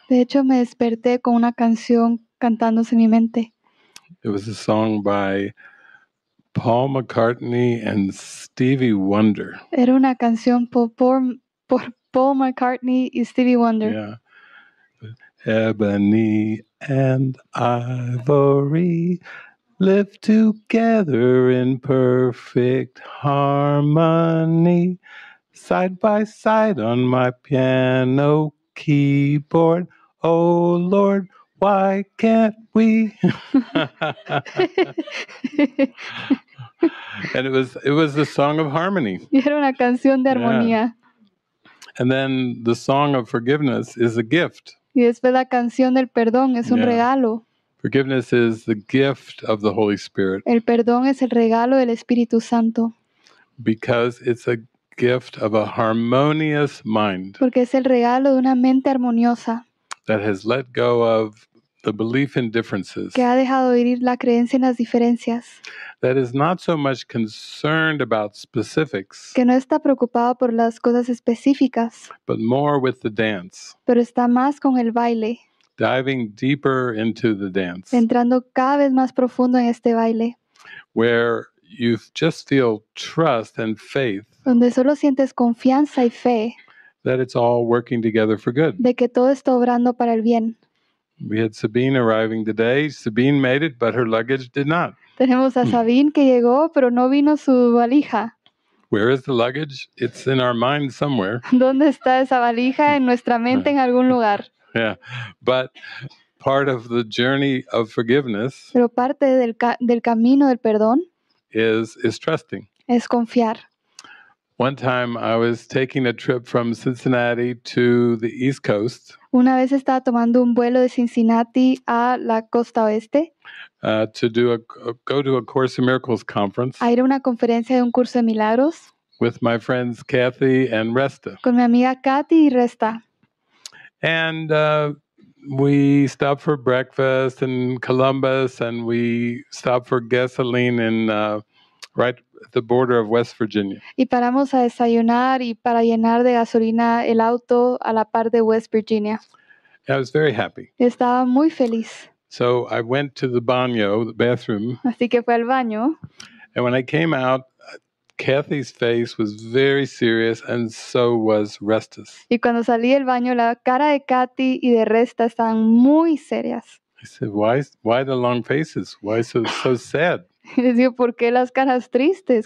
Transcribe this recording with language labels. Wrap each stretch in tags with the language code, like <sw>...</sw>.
<es>De hecho, me desperté con una canción cantándose en mi mente.</es> <en>It was a song by Paul McCartney and Stevie Wonder.</en> <es>Era una canción por Paul McCartney y Stevie Wonder.</es> <en>Yeah. Ebony and ivory live together in perfect harmony, side by side on my piano keyboard. Oh Lord, why can't we? And it was a song of harmony.</en> <es>Era una canción de armonía.</es> <en>Yeah. And then the song of forgiveness is a gift.</en> <es>Y después la canción del perdón es un regalo.</es> <en>Forgiveness is the gift of the Holy Spirit.</en> <es>El perdón es el regalo del Espíritu Santo.</es> <en>Because it's a gift of a harmonious mind.</en> <es>Porque es el regalo de una mente armoniosa.</es> <en>That has let go of the belief in differences.</en> <es>Que ha dejado de ir la creencia en las diferencias.</es> <en>That is not so much concerned about specifics.</en> <es>Que no está preocupado por las cosas específicas.</es> <en>But more with the dance.</en> <es>Pero está más con el baile.</es> <en>Diving deeper into the dance.</en> <es>Entrando cada vez más profundo en este baile.</es> <en>Where you just feel trust and faith.</en> <es>Donde solo sientes confianza y fe.</es> <en>That it's all working together for good.</en> <es>De que todo está obrando para el bien.</es> <en>We had Sabine arriving today. Sabine made it, but her luggage did not.</en> <es>Tenemos a Sabine que llegó, pero no vino su valija.</es> <en>Where is the luggage? It's in our mind somewhere.</en> <es>¿Dónde está esa valija? En nuestra mente, en algún lugar.</es> <en>Yeah, but part of the journey of forgiveness.</en> <es>Pero parte del camino del perdón.</es> <en>Is trusting.</en> <es>Es confiar.</es> <en>One time I was taking a trip from Cincinnati to the East Coast.</en> <es>Una vez estaba tomando un vuelo de Cincinnati a la costa oeste.</es> <en>To go to a Course in Miracles conference.</en> <es>A ir a una conferencia de un curso de milagros.</es> <en>With my friends Kathy and Resta.</en> <es>Con mi amiga Kathy y Resta.</es> <en>And we stopped for breakfast in Columbus, and we stopped for gasoline in right at the border of West Virginia.</en> <es>Y paramos a desayunar y para llenar de gasolina el auto a la par de West Virginia.</es> <en>I was very happy.</en> <es>Estaba muy feliz.</es> <en>So I went to the baño, the bathroom.</en> <es>Así que fue al baño.</es> <en>And when I came out, Kathy's face was very serious, and so was Resta's.</en> <es>Y cuando salí del baño, la cara de Kathy y de Resta estaban muy serias.</es> <en>I said, why the long faces? Why so sad?</en> <es>Y les digo, ¿por qué las caras tristes?</es>